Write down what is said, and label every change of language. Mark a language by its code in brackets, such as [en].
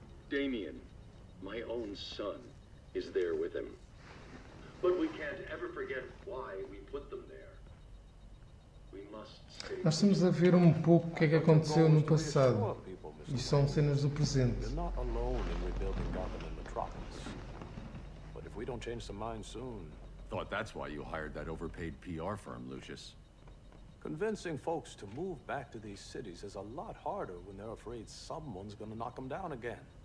[en] Damien, my own son, is there with him. But we can't ever forget why we put them there. We must save. [pt] Nós estamos a ver um pouco o que é que aconteceu no passado. E são cenas do presente. [en] We're not alone in rebuilding Gotham and Metropolis. But if we don't change some minds soon. Thought that's why you hired that overpaid PR firm, Lucius. Convincing folks to move back to these cities is a lot harder when they're afraid someone's gonna knock them down again.